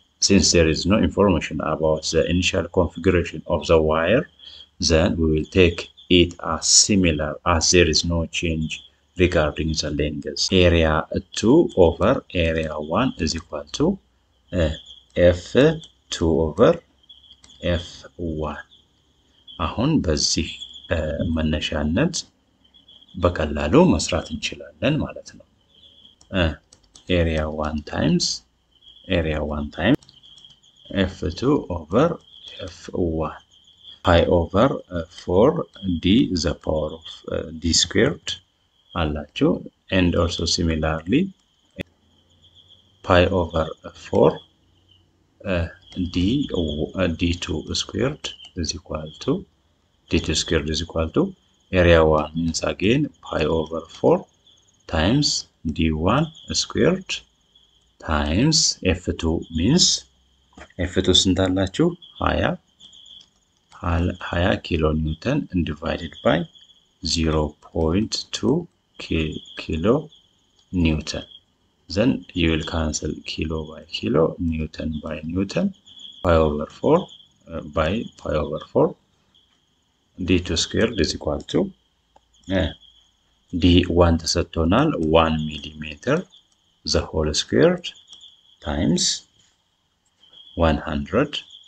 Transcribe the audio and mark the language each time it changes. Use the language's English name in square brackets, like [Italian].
[English] since there is no information about the initial configuration of the wire, then we will take it as similar as there is no change regarding the length. Area 2 over area 1 is equal to F2 over F1. [Amharic] አሁን በዚህ መነሻነት በቀላሉ መስራት እንችላለን ማለት ነው። [English] ኤሪያ 1 ታይምስ ኤሪያ 1 ታይምስ f2 ኦቨር f1 ፓይ ኦቨር 4 ዲ ዘ ፓወር ኦፍ ዲ ስኩዌርድ [Amharic] አላችሁ። [English] ኤንድ ኦልሶ ሲሚላርሊ ፓይ ኦቨር 4 ዲ2 ስኩዌርድ ኢዝ ኢኳል ቱ ዲ2 ስኩዌርድ ኢዝ ኢኳል ቱ area 1 means again pi over 4 times d1 squared times f2 means f2 [Amharic] ስንት አላችሁ? [English] 20 ኪሎ ኒውተን divided by 0.2 ኪሎ ኒውተን then you will cancel kilo by kilo newton by newton pi over 4 by pi over 4 d2 squared is equal to d1 [Amharic] ተሰጥቶናል [English] 1 ሚሊሜትር the whole squared times 100